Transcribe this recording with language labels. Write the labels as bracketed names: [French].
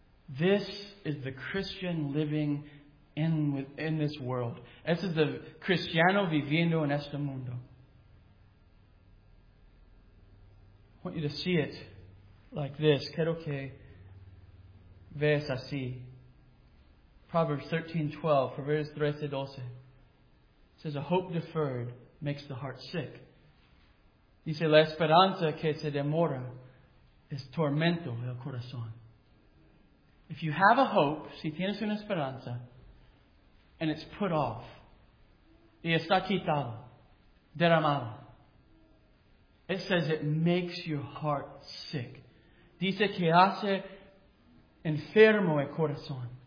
[English] This is the Christian living in this world. [Spanish] Este es el cristiano viviendo en este mundo. [English] I want you to see it like this. [Spanish] Quiero que veas así. [English] Proverbs 13:12. Proverbs 13:12. It says, a hope deferred makes the heart sick. [Spanish] Dice, la esperanza que se demora es tormento del corazón. [English] If you have a hope, [Spanish] si tienes una esperanza, [English] and it's put off. [Spanish] Y está quitado. Derramado. [English] It says it makes your heart sick. [Spanish] Dice que hace enfermo el corazón.